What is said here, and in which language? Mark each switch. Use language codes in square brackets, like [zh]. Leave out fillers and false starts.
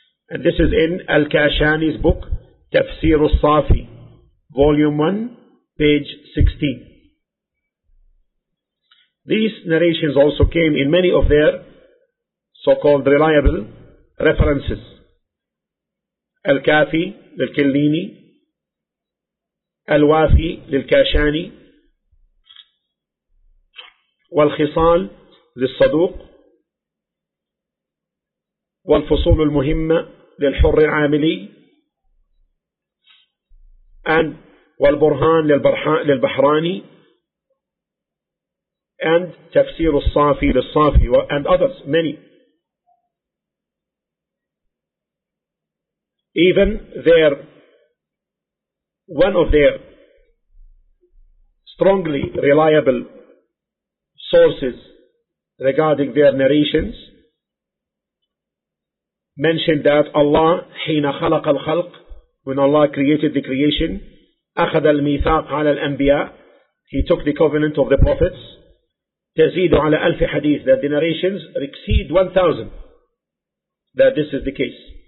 [en] And this is in Al-Kashani's book Tafsir al-Safi, volume 1, page 16. These narrations also came in many of their so-called reliable references. [ar] الكافي للكليني, الوافي للكاشاني, والخصال للصدوق, والفصول المهمة للحر العاملي, and والبرهان للبحراني, and تفسير الصافي للصافي, and others, many. [en] Even their, one of their strongly reliable sources regarding their narrations mentioned that Allah, [ar] حين خلق الخلق, [en] when Allah created the creation, [ar] أخذ الميثاق على الأنبياء, [en] He took the covenant of the prophets, [ar] تزيد على ألف حديث, [en] that the narrations exceed 1,000, that this is the case.